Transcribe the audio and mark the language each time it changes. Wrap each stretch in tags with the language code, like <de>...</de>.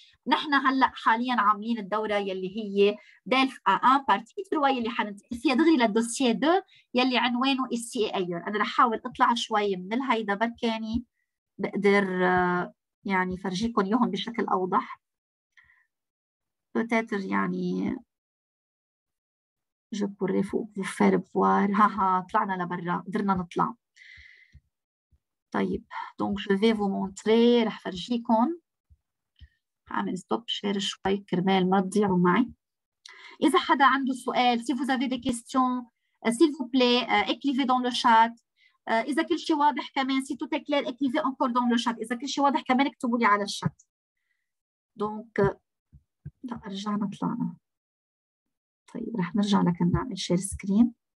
<ar>نحن هلا حاليا عاملين الدوره يلي هي دلف ا ا بارتي 3 يلي حننتقل فيها دغري للدوسيه 2 يلي عنوانه اي سي اير. انا رح احاول اطلع شوي من الهيدا بركاني بقدر يعني فرجيكم اياهم بشكل اوضح.</ar> <fr>Peut-être</fr> <ar>يعني</ar> <fr>je pourrais vous faire voir.</fr> <ar>Haha, طلعنا لبرا، قدرنا نطلع. طيب،</ar> <fr>donc je vais vous montrer،</fr> <ar>رح فرجيكم. عامل ستوب شير شوي كرمال ما تضيعوا معي. إذا حدا عنده سؤال،</ar> <fr>si vous avez des questions, s'il vous plaît, écrivez dans le chat.</fr> <ar>إذا كل شيء واضح كمان،</ar> <fr>si tout est clair, écrivez encore dans le chat.</fr> <ar>إذا كل شيء واضح كمان، اكتبوا لي على الشات.</ar> <fr>Donc,</fr> <ar>رجعنا طلعنا. طيب، رح نرجع لكم نعمل شير سكرين.</ar>